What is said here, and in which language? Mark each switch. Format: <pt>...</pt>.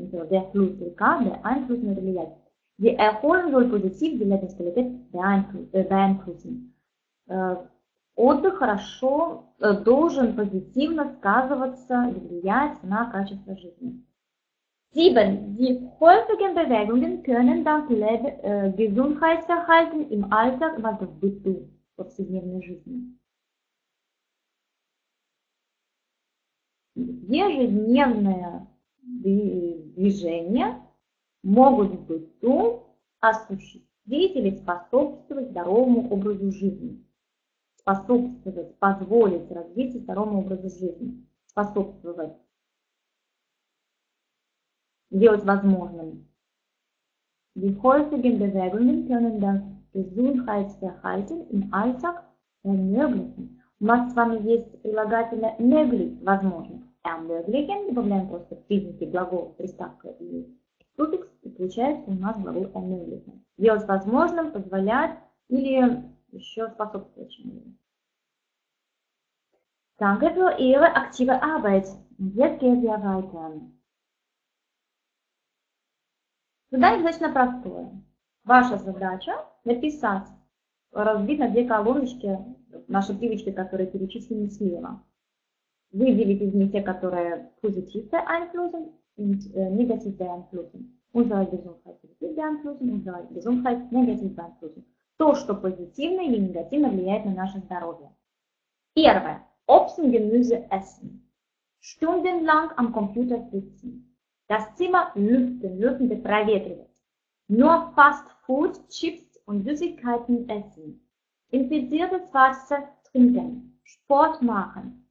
<ru>Beeinflussen,</ru> <de>der Fluss</de> <ru>река, Отдых хорошо должен позитивно сказываться и влиять на качество жизни.</ru> <de>Sieben. Die häufigen Bewegungen können das Gesundheitserhalten im Alltag, also</de> <ru>в быту, в повседневной жизни. Ежедневные движения могут в быту осуществить или способствовать здоровому образу жизни. Способствовать, позволить развитию здоровому образу жизни. Способствовать. Делать возможным.</ru> <de>Die häufigen Bewegungen können das Gesundheitsverhalten im Alltag ermöglichen.</de> <ru>У нас с вами есть прилагательное möglich, возможно. Ermöglichen, добавляем просто признаки глагола, приставка и суффикс, и получается у нас глагол ermöglichen. Делать возможным, позволять или еще способствовать чему-нибудь.</ru> <de>Danke für Ihre aktive Arbeit. Jetzt gehen wir weiter.</de> <ru>Задание достаточно простое. Ваша задача написать, разбить на две колоночки наши привычки, которые перечислены слева. Выделить из них те, которые</ru> <de>positive beeinflussen</de> <ru>и</ru> <de>negative beeinflussen. Unsere Gesundheit positive beeinflussen, unsere Gesundheit negative beeinflussen.</de> <ru>То, что позитивно или негативно влияет на наше здоровье. Первое.</ru> <de>Obst und Gemüse essen. Stundenlang am Computer sitzen. Das Zimmer lüften,</de> <ru>проветривать.</ru> <de>Nur Fast Food, Chips und Süßigkeiten essen. Infiziertes Wasser trinken. Sport machen.</de>